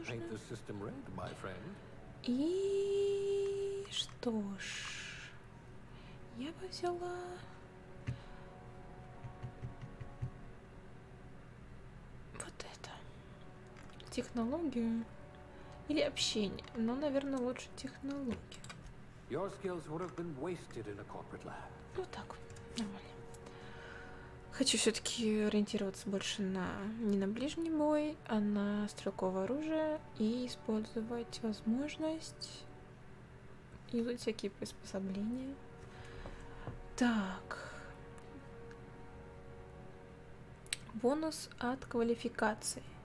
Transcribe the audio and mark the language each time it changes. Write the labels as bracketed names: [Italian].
[Russian] Red, и что ж... Я бы взяла... вот это. Технологию. Или общение. Но, наверное, лучше технологию. [English] Your skills would have been wasted in a corporate lab. [Russian] Вот так. Нормально. Хочу все-таки ориентироваться больше на... не на ближний бой, а на стрелковое оружие. И использовать возможность... изучить всякие приспособления. Так, бонус от квалификации.